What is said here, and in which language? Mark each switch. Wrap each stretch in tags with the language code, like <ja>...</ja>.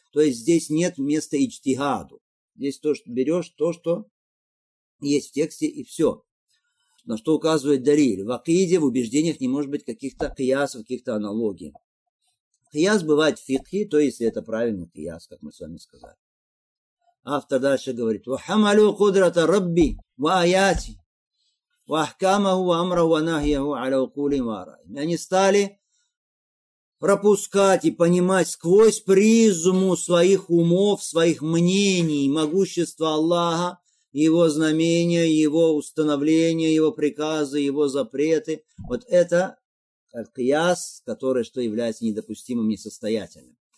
<ru>То есть, здесь нет места ичтигаду. Здесь то, что берешь то, что есть в тексте, и все. На что указывает Дариль. В акиде, в убеждениях не может быть каких-то киясов, каких-то аналогий. Кияс бывает в фикхе, то есть это правильный кияс, как мы с вами сказали. Автор дальше говорит,</ru> <ar>وَحَمَلُوا قُدْرَةَ رَبِّ وَآيَاتِ وَأَحْكَامَهُ وَأَمْرَهُ وَنَهْيَهُ عَلَى قُولٍ وَرَأْيٍ.</ar> <ru>Они стали пропускать и понимать сквозь призму своих умов, своих мнений, могущество Аллаха, Его знамения, Его установления, Его приказы, Его запреты. Вот это кияс, который что является недопустимым, несостоятельным.</ru>